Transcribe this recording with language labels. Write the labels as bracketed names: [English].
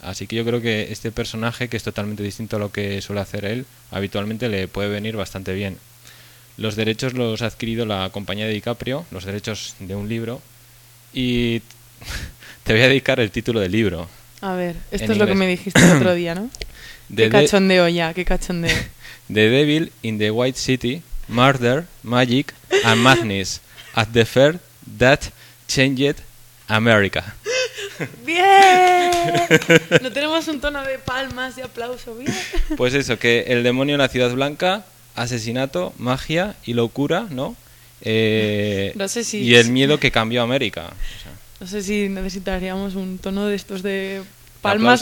[Spanish] Así que yo creo que este personaje, que es totalmente distinto a lo que suele hacer él, habitualmente le puede venir bastante bien. Los derechos los ha adquirido la compañía de DiCaprio, los derechos de un libro, y te voy a dedicar el título del libro. A ver, esto es inglés. Lo que me dijiste el otro día, ¿no? Qué cachondeo. [English] The Devil in the White City, Murder, Magic and Madness at the Fair That Changed America. [Spanish] ¡Bien! No tenemos un tono de palmas y aplauso, ¿bien? Pues eso, que el demonio en la Ciudad Blanca... Asesinato, magia y locura, ¿no? No sé si... Y el miedo que cambió América. O sea. No sé si necesitaríamos un tono de estos de palmas